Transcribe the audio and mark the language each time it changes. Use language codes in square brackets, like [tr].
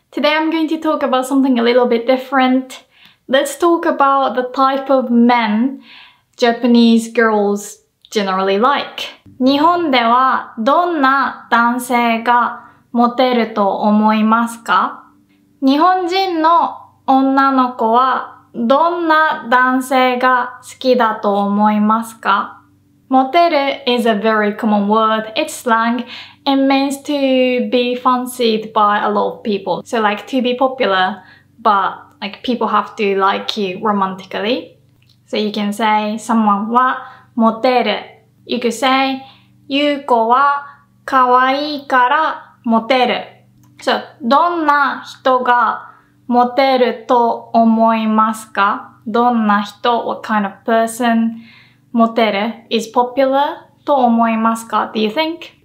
[en] Today I'm going to talk about something a little bit different. Let's talk about the type of men Japanese girls generally like. [ja] 日本ではどんな男性がモテると思いますか? 日本人の女の子はどんな男性が好きだと思いますか? [en] モテる is a very common word. It's slang. It means to be fancied by a lot of people. So like to be popular, but like people have to like you romantically. So you can say someone はモテる.You could say [ja] ゆうこは可愛いからモテる. So どんな人がモテると思いますか? どんな人, [en] what kind of person? モテる is popular [ja] と思いますか? [en] Do you think?